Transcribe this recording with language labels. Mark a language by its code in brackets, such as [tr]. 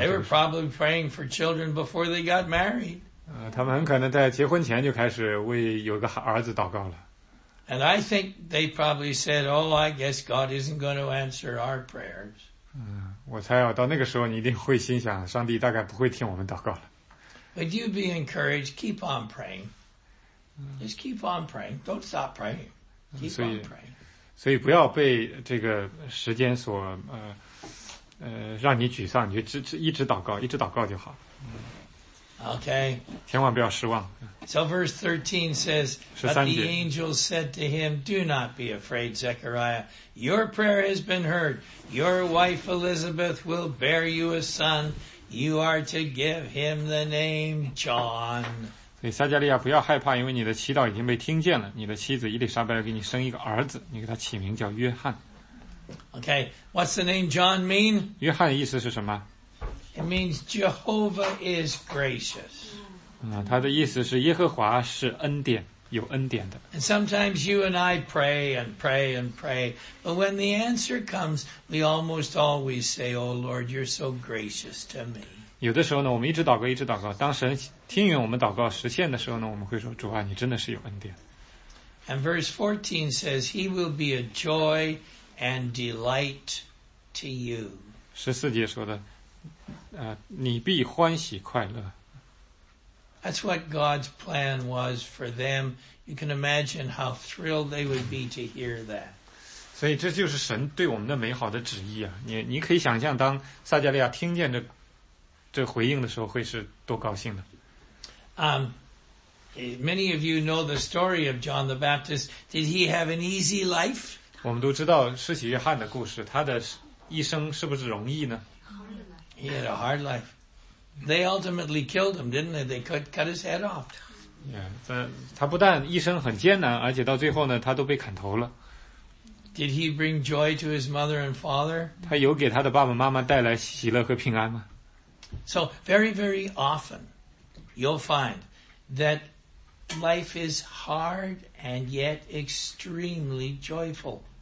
[en] They were probably praying for children before they got married. [zh] 他们很可能在结婚前就开始为有个儿子祷告了。 [en] And I think they probably said, oh, I guess God isn't going to answer our prayers. [zh] 我猜啊，到那个时候你一定会心想，上帝大概不会听我们祷告了。 [en] But you be encouraged, keep on praying. Just keep on praying. Don't stop praying. Keep on praying. [zh] 所以不要被这个时间所让你沮丧，你就一直祷告，一直祷告就好。 [en] Okay. [zh] 千万不要失望。 [en] So verse 13 says, But the angel said to him, Do not be afraid, Zechariah. Your prayer has been heard. Your wife Elizabeth will bear you a son. You are to give him the name John. [zh] 所以撒加利亚不要害怕，因为你的祈祷已经被听见了。你的妻子伊丽莎白要给你生一个儿子，你给他起名叫约翰。 [en] Okay, what's the name John mean? [zh] 约翰的意思是什么？ [en] It means Jehovah is gracious. [zh] 他的意思是耶和华是恩典，有恩典的。 [en] And sometimes you and I pray and pray and pray, but when the answer comes, we almost always say, Oh Lord, you're so gracious to me. [zh] 有的时候呢，我们一直祷告，一直祷告，当神听允我们祷告实现的时候呢，我们会说，主啊，你真的是有恩典。 [en] And verse 14 says, He will be a joy and delight to you. [zh] 14节说的你必欢喜快乐。 [en] That's what God's plan was for them. You can imagine how thrilled they would be to hear that. [zh] 所以这就是神对我们的美好的旨意啊。你可以想象当撒加利亚听见这回应的时候会是多高兴的。 [en] Many of you know the story of John the Baptist. Did he have an easy life? [zh] 我们都知道施洗约翰的故事，他的一生是不是容易呢？ [en] He had a hard life. They ultimately killed him, didn't they? They cut his head off. [zh] Yeah, 他不但一生很艰难，而且到最后呢，他都被砍头了。 [en] Did he bring joy to his mother and father? [zh] 他有给他的爸爸妈妈带来喜乐和平安吗？ [en] So very, very often, you'll find that life is hard and yet extremely joyful.